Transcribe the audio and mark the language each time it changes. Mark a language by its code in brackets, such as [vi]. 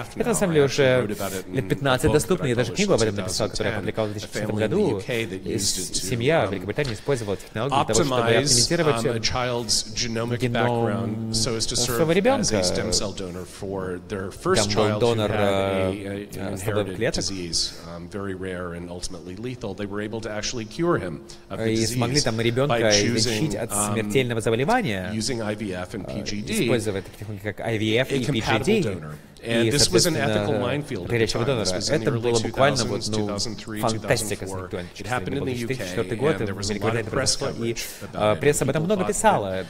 [ru] Это, на самом деле, уже лет 15 доступно. Я даже книгу об этом написал, которую я опубликовал в 2010 году. Семья в Великобритании использовала технологию для того, чтобы оптимизировать геном своего ребенка, там был донор стволовых клеток. [en] Very rare and ultimately lethal. They were able to actually cure him of the disease. [ru] И смогли там ребенка излечить от смертельного заболевания, [en] using IVF and PGD, [ru] используя такие технологии как IVF и PGD. [en] And this was an ethical minefield. [ru] Горячего донора. Это было буквально вот, ну, фантастика, если никто не читал. Это был 2004 год, в Великобритании это произошло, и пресса об этом много писала.